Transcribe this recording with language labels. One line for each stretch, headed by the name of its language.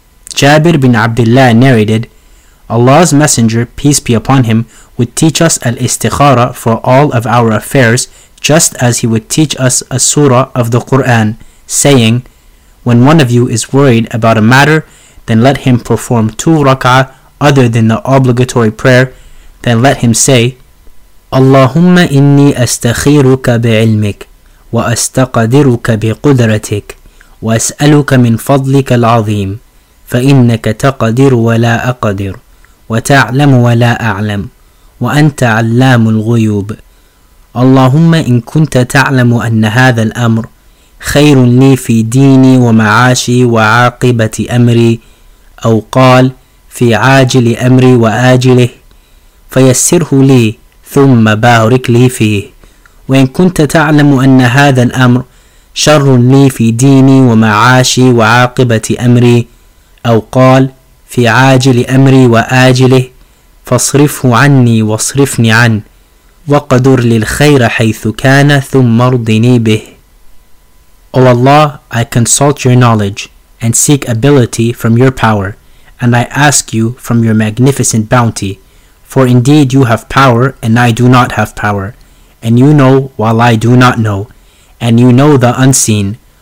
English: Jabir bin Abdullah narrated, "Allah's Messenger, peace be upon him, would teach us al-istikhara for all of our affairs, just as he would teach us a surah of the Qur'an, saying, When one of you is worried about a matter, then let him perform 2 rak'ah other than the obligatory prayer, then let him say,
Arabic: Allahumma inni astakhiruka bi'ilmik, wa astaqadiruka biqudratik, wa as'aluka min fadlika al-azim. فَإِنَّكَ تَقَدِرُ وَلَا أَقَدِرُ وَتَعْلَمُ وَلَا أَعْلَمُ وَأَنْتَ عَلَّامُ الْغُيُوبِ اللَّهُمَّ إِن كُنْتَ تَعْلَمُ أَنَّ هَذَا الْأَمْرُ خَيْرٌ لِي فِي دِينِي وَمَعَاشِي وَعَاقِبَةِ أَمْرِي أَوْ قَالَ فِي عَاجِلِ أَمْرِي وَآجِلِهِ فَيَسِّرْهُ لِي ثُمَّ بَارِكْ لِي فِيهِ وَإِن كُنْتَ تَعْلَمُ أَنَّ هَذَا الْأَمْرُ شَرٌّ لِي فِي دِينِي وَمَعَاشِي وَعَاقِبَةِ أَمْرِي أو قال في عاجل أمري وآجله فاصرفه عني واصرفني عنه وقدر للخير حيث كان ثم ارضني به."
English: O Allah, I consult your knowledge and seek ability from your power, and I ask you from your magnificent bounty, for indeed you have power and I do not have power, and you know while I do not know, and you know the unseen.